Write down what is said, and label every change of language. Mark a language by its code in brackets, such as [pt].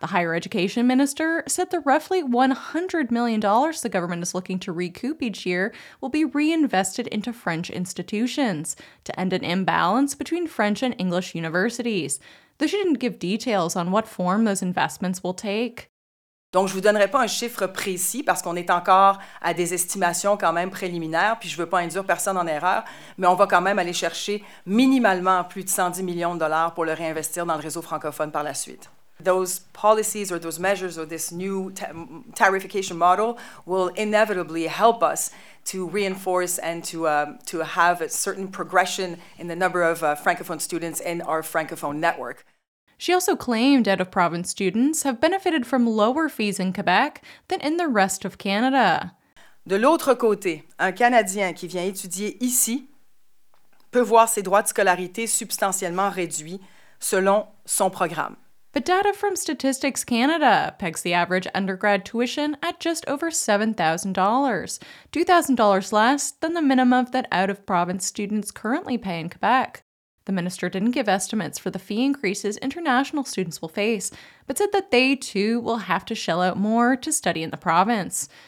[en] The higher education minister said the roughly $100 million the government is looking to recoup each year will be reinvested into French institutions to end an imbalance between French and English universities. So she didn't give details on what form those investments will take. [fr] Donc je vous donnerai pas un chiffre précis parce qu'on est encore à des estimations quand même préliminaires, puis je veux pas induire personne en erreur, mais on va quand même aller chercher minimalement plus de 110 millions de dollars pour le réinvestir dans le réseau francophone par la suite. [en] Those policies or those measures or this new tarification model will inevitably help us to reinforce and to have a certain progression in the number of Francophone students in our Francophone network. She also claimed out-of-province students have benefited from lower fees in Quebec than in the rest of Canada. [fr] De l'autre côté, un Canadien qui vient étudier ici peut voir ses droits de scolarité substantiellement réduits selon son programme. [en] But data from Statistics Canada pegs the average undergrad tuition at just over $7,000, $2,000 less than the minimum that out-of-province students currently pay in Quebec. The minister didn't give estimates for the fee increases international students will face, but said that they too will have to shell out more to study in the province.